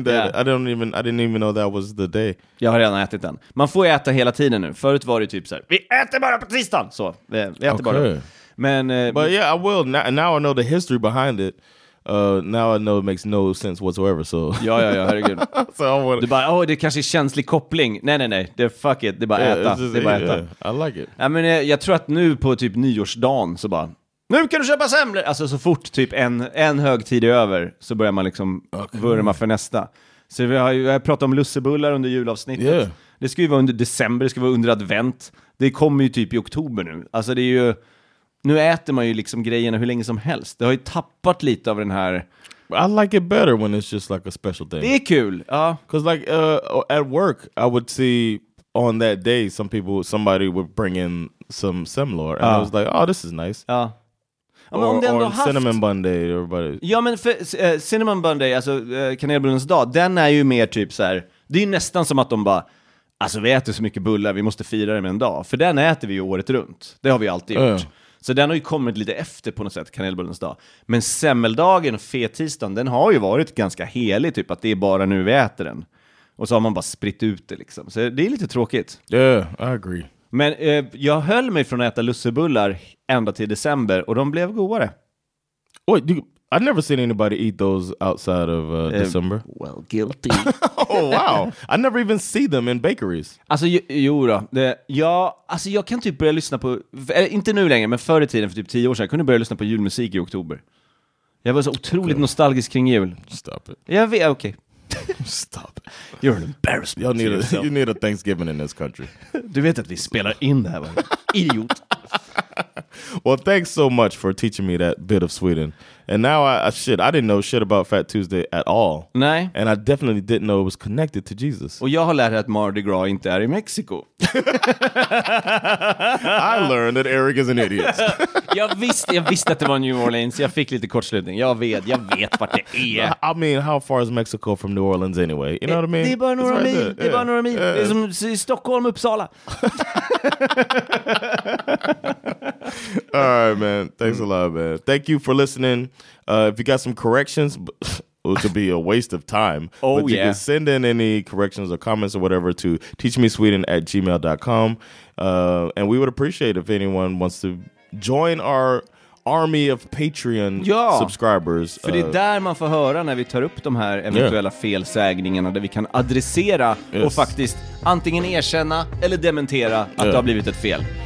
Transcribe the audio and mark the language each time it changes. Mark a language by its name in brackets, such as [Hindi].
[English] I didn't even know that was the day. [Swedish] Jag har redan ätit den. Man får ju äta hela tiden nu. Förut var det typ så här, vi äter bara på tisdagen. Så, vi äter bara. Men, [English] but yeah, I will. Now I know the history behind it. Now I know it makes no sense whatsoever. So. [Swedish] Ja, herregud. [English] So I wanna... [Swedish] Du bara, det är kanske känslig koppling. Nej. Det är fuck it. Det är bara äta. [English] I like it. [Swedish] Ja, men jag tror att nu på typ nyårsdagen så bara... Nu kan du köpa semlor! Alltså så fort typ en högtid är över så börjar man liksom vurma för nästa. Så vi har ju pratat om lussebullar under julavsnittet. [English] Yeah. [Swedish] Det ska ju vara under december, det ska vara under advent. Det kommer ju typ i oktober nu. Alltså det är ju... Nu äter man ju liksom grejerna hur länge som helst. Det har ju tappat lite av den här... [English] I like it better when it's just like a special day. [Swedish] Det är kul, ja. [English] Because like at work I would see on that day somebody would bring in some semlor. And I was like, oh this is nice. [Swedish] Ja. [English] Cinnamon bun day, everybody. [Swedish] Ja, men för, [English] cinnamon bun day, [Swedish] alltså kanelbullens dag, den är ju mer typ så här. Det är ju nästan som att de bara, alltså vi äter så mycket bullar, vi måste fira det med en dag. För den äter vi ju året runt. Det har vi alltid gjort. Så den har ju kommit lite efter på något sätt, kanelbullens dag. Men semmeldagen, fettisdagen, den har ju varit ganska helig, typ att det är bara nu vi äter den. Och så har man bara spritt ut det liksom. Så det är lite tråkigt. [English] Yeah, I agree. [Swedish] Men jag höll mig från att äta lussebullar ända till december och de blev godare. [English] Wait, I've never seen anybody eat those outside of December. Well, guilty. Oh wow. I never even see them in bakeries. [Swedish] Alltså jo då. Jag kan typ börja lyssna på inte nu längre, men förr i tiden för typ 10 år sedan kunde jag börja lyssna på julmusik i oktober. Jag var så otroligt nostalgisk kring jul. [English] Stop it. [Swedish] Jag vet, okay. [English] Stop. You're an embarrassment. You need a Thanksgiving in this country. [Swedish] Du vet att vi spelar in det här, idiot. [English] Well, thanks so much for teaching me that bit of Sweden. And now I didn't know shit about Fat Tuesday at all. [Swedish] Nej. [English] And I definitely didn't know it was connected to Jesus. [Swedish] Och jag har lärt att Mardi Gras inte är i Mexiko. [English] I learned that Eric is an idiot. [Swedish] jag visste att det var New Orleans. Jag fick lite kortslutning. Jag vet vart det är. [English] I mean, how far is Mexico from New Orleans anyway? You know what I mean? [Swedish] Det är bara några mil. Right, det är bara några mil. Det är som Stockholm, Uppsala. [English] All right, man. Thanks a lot, man. Thank you for listening. If you got some corrections, which would be a waste of time. Oh, but yeah. You can send in any corrections or comments or whatever to teachmesweden@gmail.com. And we would appreciate if anyone wants to join our army of Patreon subscribers. [Swedish] För det är där man får höra när vi tar upp de här eventuella felsägningarna där vi kan adressera och faktiskt antingen erkänna eller dementera att det har blivit ett fel.